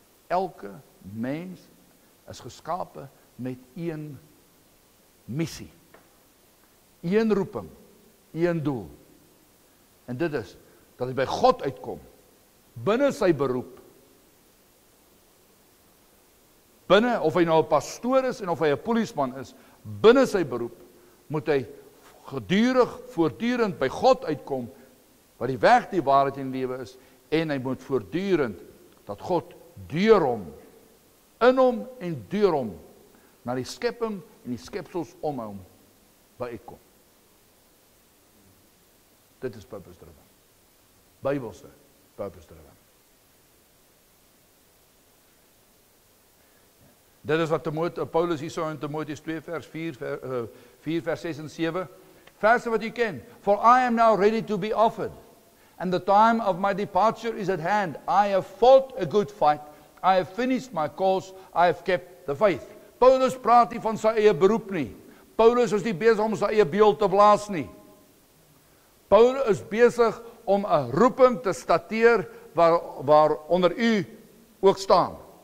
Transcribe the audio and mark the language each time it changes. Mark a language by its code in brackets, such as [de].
[af] Elke mens is geskape met een missie. Een roeping, een doel. En dit is, dat hy by God uitkom, binne sy beroep, binne, of hy nou 'n pastoor is, en of hy 'n polisman is, binne sy beroep, moet hy gedurig, voortdurend by God uitkom, wat die weg die waarheid in lewe is, en hy moet voortdurend, dat God deur hom, in hom en deur hom, na die skepping en die skepsels om hom, by uitkom. Dit is purpose driven. Bybelse purpose driven. Dit is wat Paulus hier so in Timoteus 2 vers 4 vers 6 en 7. Verse wat jy ken. [en] For I am now ready to be offered, and the time of my departure is at hand. I have fought a good fight. I have finished my course. I have kept the faith. [af] Paulus praat nie van sy eie beroep nie. Paulus is nie besig om sy eie beeld te blaas nie. Paul is besig om 'n roeping te stateer waar onder u ook staan.